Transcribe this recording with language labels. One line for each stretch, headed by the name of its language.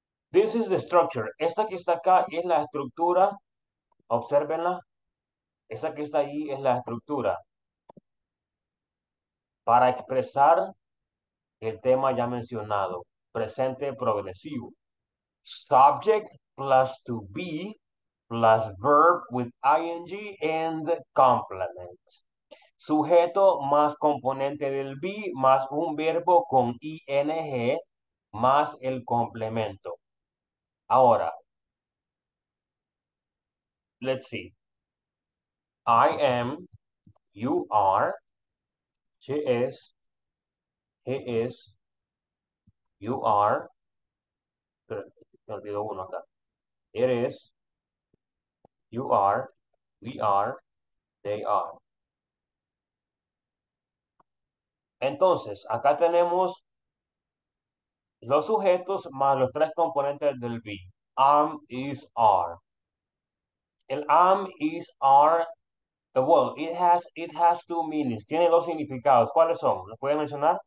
English: This is the structure.
Spanish: Esta que está acá es la estructura. Obsérvenla. Esa que está ahí es la estructura. Para expresar el tema ya mencionado, presente progresivo.
English: Subject plus to be plus verb with ing and complement.
Spanish: Sujeto más componente del be más un verbo con ing más el complemento.
English: Ahora, let's see. I am, you are, she is, he is, you are,
Spanish: pero me olvidó uno acá.
English: It is, you are, we are, they are.
Spanish: Entonces, acá tenemos los sujetos más los tres componentes del be.
English: Am, is, are. El am, is, are. Well, it has two meanings.
Spanish: Tiene dos significados. ¿Cuáles son? ¿Lo puede mencionar?